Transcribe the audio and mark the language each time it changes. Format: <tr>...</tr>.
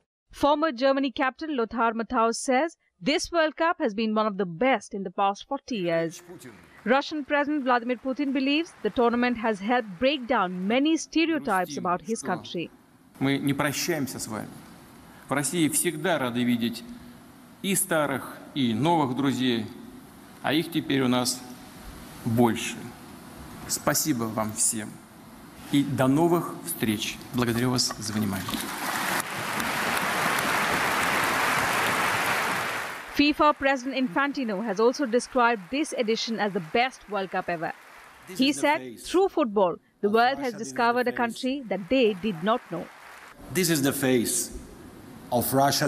<en>Former Germany captain Lothar Matthaus says this World Cup has been one of the best in the past 40 years. Russian President Vladimir Putin believes the tournament has helped break down many stereotypes about his country.</en> <ru>Мы не прощаемся с вами. В России всегда рады видеть и старых, и новых друзей, а их теперь у нас больше. Спасибо вам всем. И до новых встреч. Благодарю вас за внимание.</ru> <en>FIFA President Infantino has also described this edition as the best World Cup ever. He said, through football, the world has discovered a country that they did not know. This is the face of Russia.</en>